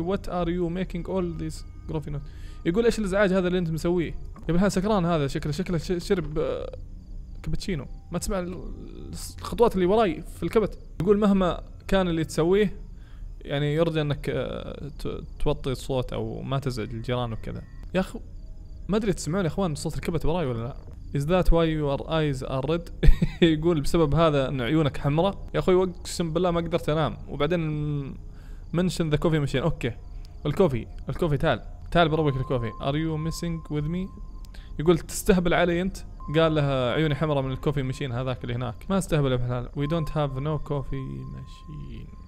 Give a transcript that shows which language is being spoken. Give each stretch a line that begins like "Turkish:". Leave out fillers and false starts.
English: وات ار يو ميكينج اول ذيس جروفي نوت.
Arabic: يقول ايش الازعاج هذا اللي انت مسويه يا ابن الحلال؟ سكران هذا، شكله شرب كابتشينو. ما تسمع الخطوات اللي وراي في الكبت. يقول مهما كان اللي تسويه يعني يرجى انك توطي الصوت او ما تزعج الجيران وكذا. يا اخو ما ادري تسمعون يا اخوان صوت الكبت وراي ولا لا.
English: Is that why your eyes are red؟
Arabic: يقول بسبب هذا ان عيونك حمراء. يا اخوي اقسم بالله ما قدرت انام. وبعدين
English: Mention the coffee machine.
Arabic: اوكي الكوفي تعال بروك الكوفي.
English: Are you messing with me?
Arabic: يقول تستهبل علي انت؟ قال لها عيوني حمراء من الكوفي ماشين هذاك اللي هناك. ما استهبل ابن حلال.
English: We don't have no coffee machine.